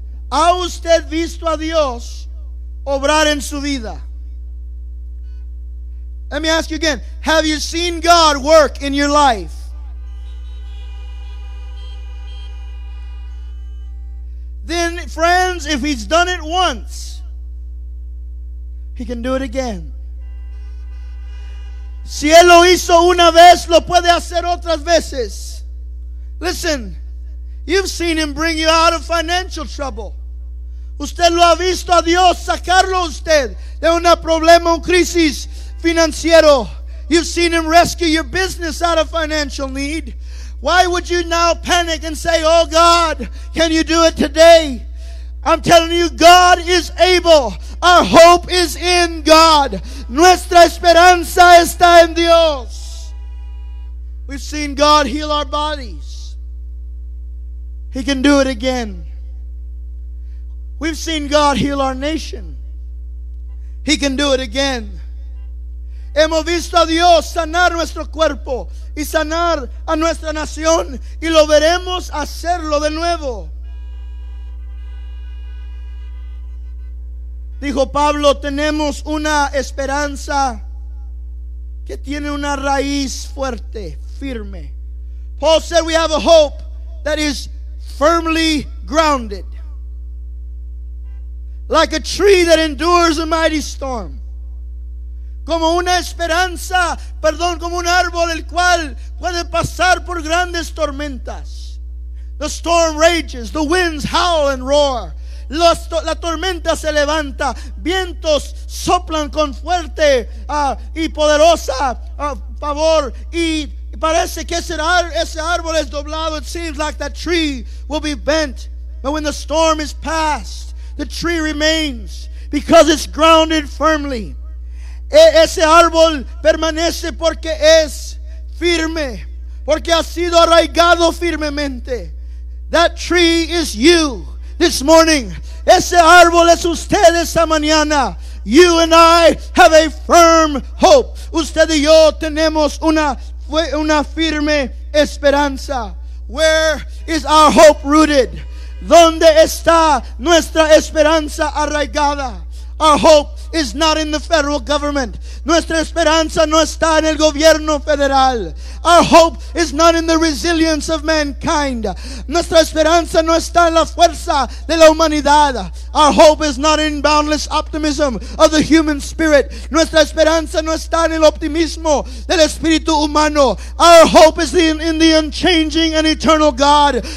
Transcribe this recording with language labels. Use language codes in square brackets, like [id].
[es] ¿Ha usted visto a Dios obrar en su vida? [en] Let me ask you again. Have you seen God work in your life? Then, friends, if He's done it once, He can do it again. [es] Si Él lo hizo una vez, lo puede hacer otras veces. [en] Listen, you've seen Him bring you out of financial trouble. [es] Usted lo ha visto a Dios sacarlo usted de un problema, un crisis financiero. [en] You've seen Him rescue your business out of financial need. Why would you now panic and say, "Oh God, can you do it today?" I'm telling you, God is able. Our hope is in God. [es] Nuestra esperanza está en Dios. [en] We've seen God heal our bodies. He can do it again. We've seen God heal our nation. He can do it again. [es] Hemos visto a Dios sanar nuestro cuerpo y sanar a nuestra nación, y lo veremos hacerlo de nuevo. Dijo Pablo, tenemos una esperanza que tiene una raíz fuerte, firme. [en] Paul said we have a hope that is firmly grounded. Like a tree that endures a mighty storm. [es] Como una esperanza, perdón, como un árbol el cual puede pasar por grandes tormentas. [en] The storm rages, the winds howl and roar. [es] La tormenta se levanta, vientos soplan con fuerte y poderosa favor, y parece que ese árbol es doblado. [en] It seems like that tree will be bent, but when the storm is past, the tree remains because it's grounded firmly. [es] Ese árbol permanece porque es firme, porque ha sido arraigado firmemente. [en] That tree is you this morning. [es] Ese árbol es usted esta mañana. [en] You and I have a firm hope. [es] Usted y yo tenemos una fue una firme esperanza. [en] Where is our hope rooted? [es] ¿Dónde está nuestra esperanza arraigada? [en] Our hope is not in the federal government. [es] Nuestra esperanza no está en el gobierno federal. [en] Our hope is not in the resilience of mankind. [es] Nuestra esperanza no está en la fuerza de la humanidad. [en] Our hope is not in boundless optimism of the human spirit. [es] Nuestra esperanza no está en el optimismo del espíritu humano. [en] Our hope is in the unchanging and eternal God.